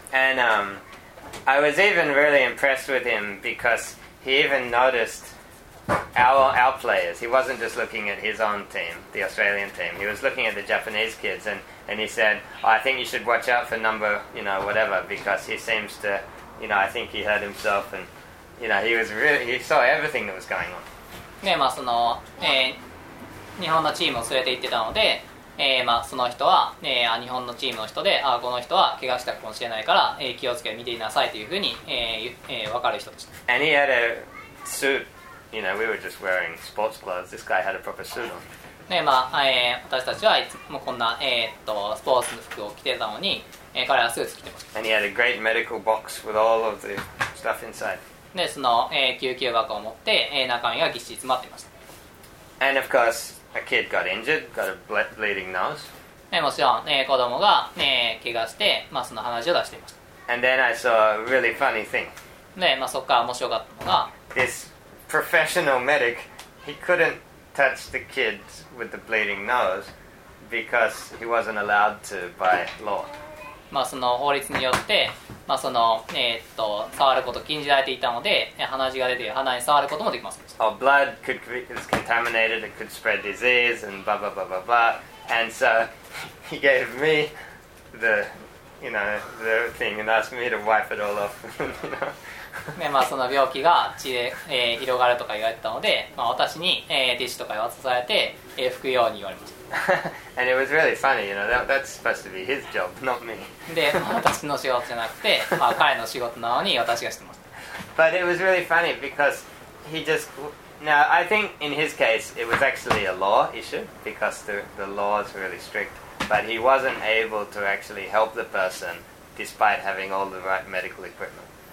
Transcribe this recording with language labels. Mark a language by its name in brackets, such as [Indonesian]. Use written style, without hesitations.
[English] And, I was even really impressed with him because he even noticedOur players. He wasn't just looking at his own team, the Australian team. He was looking at the Japanese kids, and he said, "I think you should watch out for number, you know, whatever, because he seems to, you know, I think he hurt himself, and you know, he was really he saw everything that was going on." [Japanese] ね、まあその、日本のチームを連れて行ってたので、まあその人は、日本のチームの人で、あ、この人は怪我したかもしれないから、気をつけて見ていなさいというふうに、分かる人でした。 [English] And he had a suit. You know, we were just wearing sports clothes. This guy had a proper suit on. [Japanese] ね、まあ、私たちはいつもこんな、スポーツの服を着てたのに、彼はスーツ着てます。 [English] And he had a great medical box with all of the stuff inside. [Japanese] で、その、救急箱を持って、中身がぎっしり詰まっていました。 [English] And of course, a kid got injured, got a bleeding nose. [Japanese] ね、もちろん、子供が、怪我して、まあ、その鼻血を出していました。 [English] And then I saw a really funny thing. [Japanese] ね、まあ、そこから面白かったのが、 [English] ThisProfessional medic, he couldn't touch the kids with the bleeding nose because he wasn't allowed to by law. [Japanese] まあその法律によって、まあその触ること禁じられていたので、鼻血が出て鼻に触ることもできません。 [English] Oh, blood could be contaminated. It could spread disease and blah blah blah blah blah. And so he gave me the, you know, the thing and asked me to wipe it all off. You know. [Japanese] ね、まあその病気が血で、広がるとか言われたので、まあ、私に、ティッシュとか渡されて、拭くように言われました。 [English] And it was really funny, you know, that's supposed to be his job, not me. [Japanese] で、まあ、私の仕事じゃなくて、まあ、彼の仕事なのに私がしてました。 [English] But it was really funny because he just... Now, I think in his case, it was actually a law issue because the law is really strict. But he wasn't able to actually help the person despite having all the right medical equipment.